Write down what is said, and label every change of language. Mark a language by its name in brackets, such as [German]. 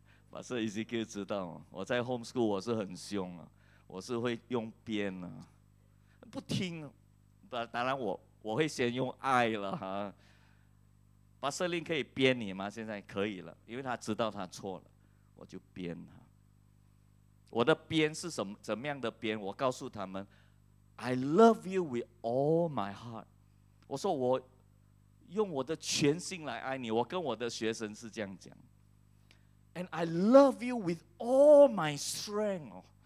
[Chinese] 把这一句给知道，我在 homeschool 我是很凶啊，我是会用鞭啊，不听。当然我会先用爱了哈。把司令可以鞭你吗？现在可以了，因为他知道他错了，我就鞭他。我的鞭是什么？怎么样的鞭？我告诉他们 [English] ，I love you with all my heart。 [Chinese] 我说我。用我的全心来爱你，我跟我的学生是这样讲。 [English] And I love you with all my strength.